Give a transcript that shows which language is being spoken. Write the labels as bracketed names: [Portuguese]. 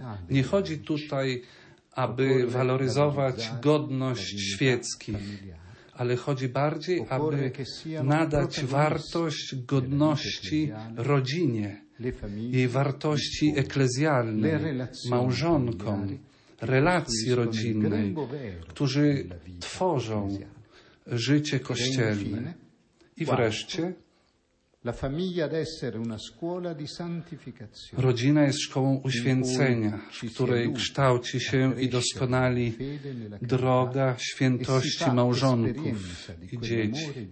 [Polish] Nie chodzi tutaj, aby waloryzować godność świeckich, ale chodzi bardziej, aby nadać wartość godności rodzinie, jej wartości eklezjalnej, małżonkom, relacji rodzinnej, którzy tworzą życie kościelne. I wreszcie, [Italian] La famiglia ad essere una scuola di santificazione. [Polish] Rodzina jest szkołą uświęcenia, w której kształci się i doskonali droga świętości małżonków i dzieci.